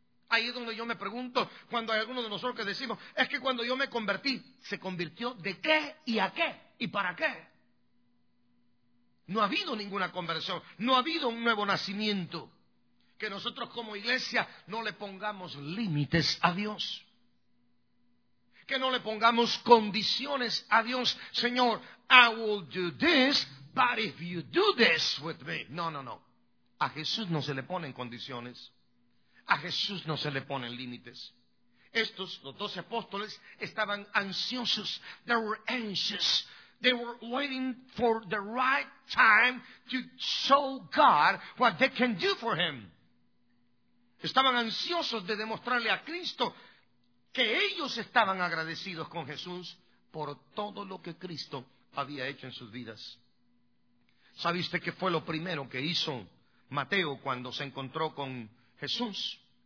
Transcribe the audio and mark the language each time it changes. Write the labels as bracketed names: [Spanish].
[Spanish] Ahí es donde yo me pregunto, cuando hay algunos de nosotros que decimos, es que cuando yo me convertí, ¿se convirtió de qué y a qué y para qué? No ha habido ninguna conversión, no ha habido un nuevo nacimiento. Que nosotros como iglesia no le pongamos límites a Dios. Que no le pongamos condiciones a Dios. [English] Señor, I will do this, but if you do this with me. [Spanish] No, no, no. A Jesús no se le ponen condiciones. A Jesús no se le ponen límites. Estos, los 12 apóstoles, estaban ansiosos. [English] They were anxious. They were waiting for the right time to show God what they can do for him. [Spanish] Estaban ansiosos de demostrarle a Cristo que ellos estaban agradecidos con Jesús por todo lo que Cristo había hecho en sus vidas. ¿Sabe usted qué fue lo primero que hizo Mateo cuando se encontró con Jesús?